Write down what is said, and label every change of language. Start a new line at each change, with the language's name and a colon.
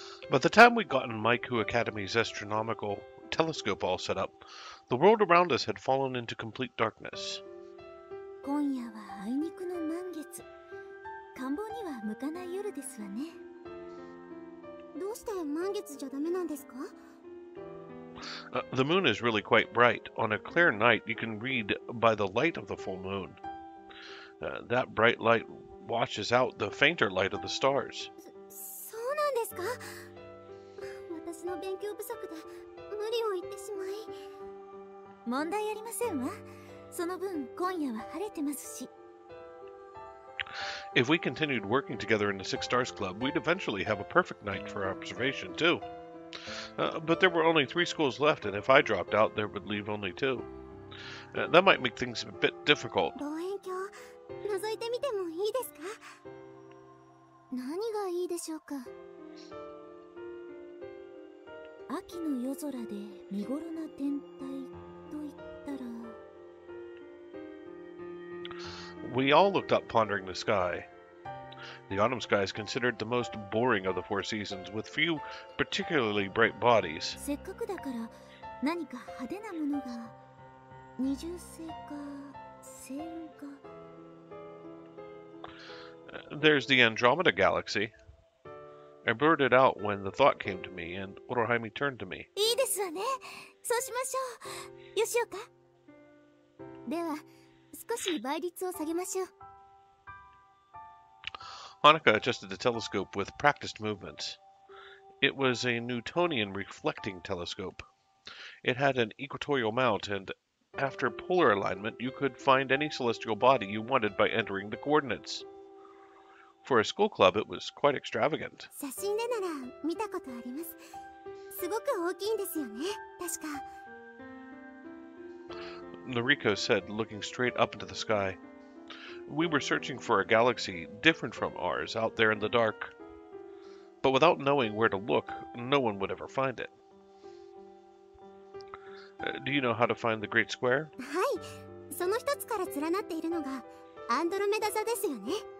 English: By the time we'd gotten Maiku Academy's astronomical telescope all set up, the world around us had fallen into complete darkness.
Japanese: 今夜はあいにくの満月。観望には向かない夜ですわね。どうして満月じゃダメなんですか？
English: The moon is really quite bright. On a clear night, you can read by the light of the full moon. That bright light washes out the fainter light of the stars.
Japanese: そうなんですか？私の勉強不足で無理を言ってしまい。問題ありませんわ。その分、今夜は晴れてますし。
English: If we continued working together in the Six Stars Club, we'd eventually have a perfect night for observation, too. But there were only three schools left, and if I dropped out, there would leave only two. That might make things a bit difficult.
Japanese: 望遠鏡、覗いてみてもいいですか？何がいいでしょうか？秋の夜空で見ごろな天体といったら…
English: We all looked up pondering the sky. The autumn sky is considered the most boring of the four seasons, with few particularly bright bodies.
Japanese: せっかくだから何か派手なものが二重星か星雲か。
English: There's the Andromeda Galaxy. I blurted out when the thought came to me, and Orohime turned to me.
Japanese: いいですわね。そうしましょう。よしおか。では。少し倍率を下げましょう。
English: Hanaka adjusted the telescope with practiced movements. It was a Newtonian reflecting telescope. It had an equatorial mount, and after polar alignment, you could find any celestial body you wanted by entering the coordinates. For a school club, it was quite extravagant.
Japanese: 写真でなら見たことあります。すごく大きいんですよね、確か。
English: Noriko said, looking straight up into the sky. We were searching for a galaxy different from ours out there in the dark. But without knowing where to look, no one would ever find it. Do you know how to find the Great Square?
Japanese: はい。その一つから連なっているのがアンドロメダ座ですよね。